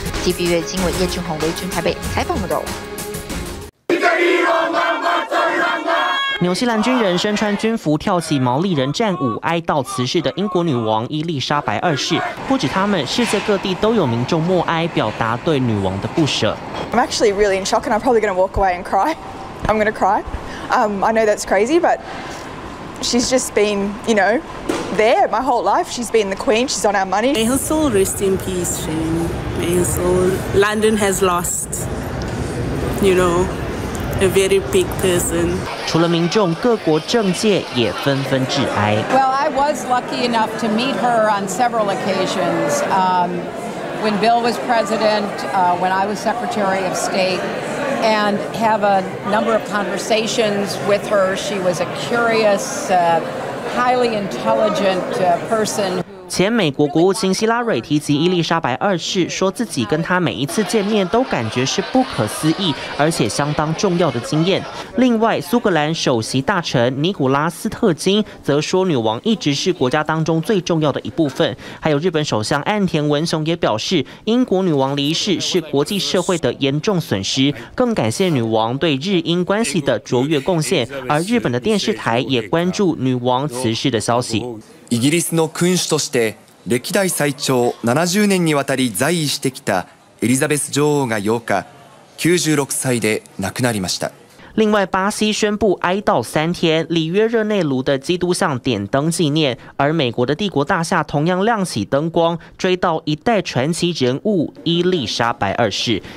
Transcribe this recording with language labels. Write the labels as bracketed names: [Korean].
[Chinese] TVB 新闻叶俊宏、雷军台北采访报道。纽西兰军人身穿军服跳起毛利人战舞，哀悼辞世的英国女王伊丽莎白二世。不止他们，世界各地都有民众默哀，表达对女王的不舍。 [English] I'm actually really in shock, and I'm probably going to walk away and cry. I'm going to cry. I know that's crazy, but. She's just been, you know, there my whole life. She's been the queen. She's on our money. May her soul rest in peace, Shane. May her soul. London has lost, you know, a very big person. [Chinese] 除了民众，各国政界也纷纷致哀。 [English] Well, I was lucky enough to meet her on several occasions. When Bill was president, when I was Secretary of State. And have a number of conversations with her. She was a curious, highly intelligent person. [Chinese] 前美国国务卿希拉蕊提及伊丽莎白二世，说自己跟她每一次见面都感觉是不可思议，而且相当重要的经验。另外，苏格兰首席大臣尼古拉斯特金则说，女王一直是国家当中最重要的一部分。还有日本首相岸田文雄也表示，英国女王离世是国际社会的严重损失，更感谢女王对日英关系的卓越贡献。而日本的电视台也关注女王辞世的消息。 [Japanese] イギリスの君主として歴代最長70年にわたり在位してきたエリザベス女王が8日96歳で亡くなりました。 [Chinese] 另外，巴西宣布哀悼三天，里约热内卢的基督像点灯纪念，而美国的帝国大厦同样亮起灯光，追悼一代传奇人物伊丽莎白二世。